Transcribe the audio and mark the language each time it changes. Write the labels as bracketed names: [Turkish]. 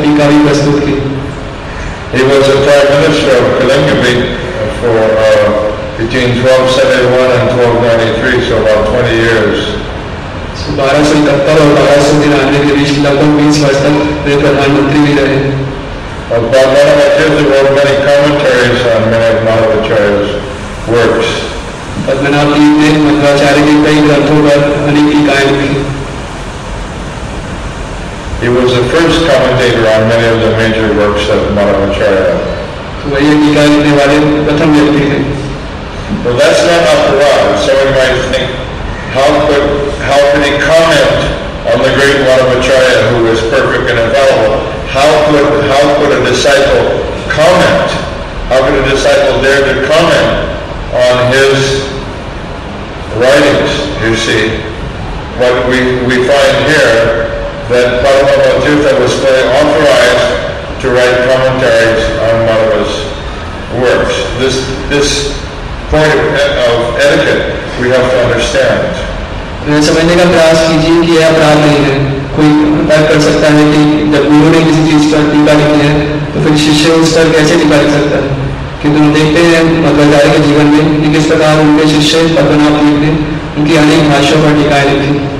[English] He was a prime minister of Kalingapi for between 1271 and 1293, so about 20 years. [Hindi] So 1271 and 1293 के बीच लगभग 20 वर्ष तक वे प्रधानमंत्री भी रहे। [English] Padmanabha Tirtha wrote many commentaries on many of Madhvacharya's works. [Hindi] Padmanabha तीर्थ ने मध्वाचार्य के कई ग्रंथों पर अनेक टीकाएं लिखी। [English] He was the first commentator on many of the major works of Madhvacharya. So that's not up to us. Someone might think, how could he comment on the great Madhvacharya who is perfect and infallible? How could a disciple comment? How could a disciple dare to comment on his writings, you see? what we find here, that Padma Bhagavata was fully authorized to write commentaries on Madhava's works. This point of etiquette we have to understand. [Hindi] समझने का प्रयास कीजिए कि यह अपराध नहीं है. कोई तर्क कर सकता है कि जब गुरु ने किसी चीज पर टीका लिखी है तो फिर शिष्य उस पर कैसे टीका लिख सकता है. किंतु हम देखते हैं मध्वाचार्य के जीवन में कि किस प्रकार उनके शिष्य पद्मनाभ जी ने उनकी अनेक भाषाओं पर टीकाएं लिखी.